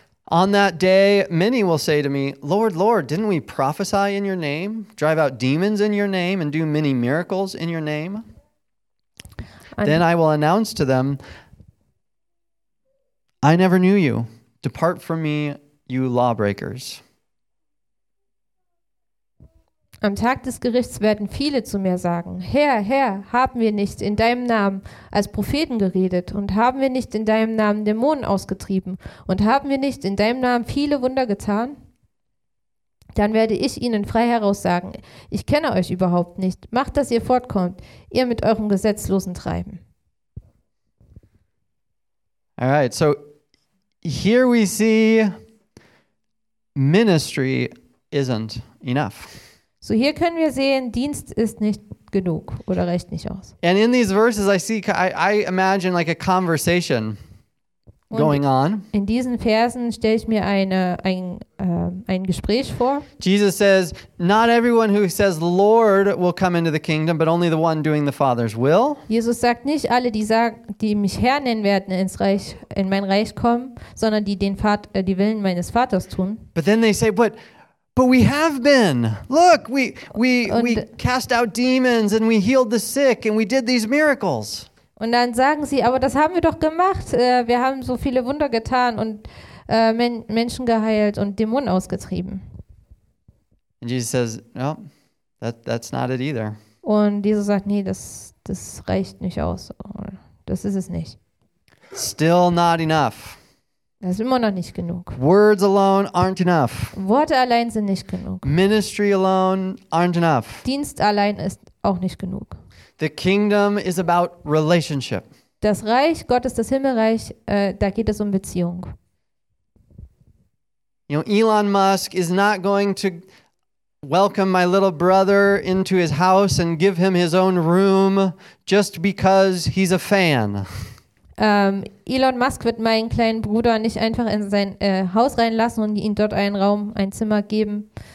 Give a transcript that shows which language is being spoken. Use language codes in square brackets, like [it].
[en] On that day, many will say to me, Lord, Lord, didn't we prophesy in your name, drive out demons in your name, and do many miracles in your name? Then I will announce to them, I never knew you. Depart from me, you lawbreakers. [de] Am Tag des Gerichts werden viele zu mir sagen, Herr, Herr, haben wir nicht in deinem Namen als Propheten geredet und haben wir nicht in deinem Namen Dämonen ausgetrieben und haben wir nicht in deinem Namen viele Wunder getan? Dann werde ich ihnen frei heraus sagen, ich kenne euch überhaupt nicht, macht, dass ihr fortkommt, ihr mit eurem gesetzlosen Treiben. [en] All right, so here we see ministry isn't enough. [de] So hier können wir sehen, Dienst ist nicht genug oder reicht nicht aus. [en] And in these verses I imagine like a conversation. going on. [de] In diesen Versen stelle ich mir ein Gespräch vor. [en] Jesus says, not everyone who says Lord will come into the kingdom, but only the one doing the Father's will. [de] Jesus sagt nicht alle, die mich Herr nennen werden ins Reich, in mein Reich kommen, sondern die den Vater, die Willen meines Vaters tun. [en] But then they say, but we have been. Look, we cast out demons and we healed the sick and we did these miracles. [de] Und dann sagen sie, aber das haben wir doch gemacht. Wir haben so viele Wunder getan und Menschen geheilt und Dämonen ausgetrieben. [en] And Jesus says, no, that's not it either. [de] Und Jesus sagt, nee, das reicht nicht aus. Das ist es nicht. [en] Still not enough. [de] Das ist immer noch nicht genug. [en] Words alone aren't enough. [de] Worte allein sind nicht genug. [en] Ministry alone aren't enough. [de] Dienst allein ist auch nicht genug. [en] The kingdom is about relationship. [de] Das Reich Gottes, das Himmelreich, da geht es um Beziehung. [en] You know, Elon Musk is not going to welcome my little brother into his house and give him his own room just because he's a fan. [de] Elon Musk wird meinen kleinen Bruder nicht einfach in sein Haus reinlassen und ihm dort einen Raum, ein Zimmer geben.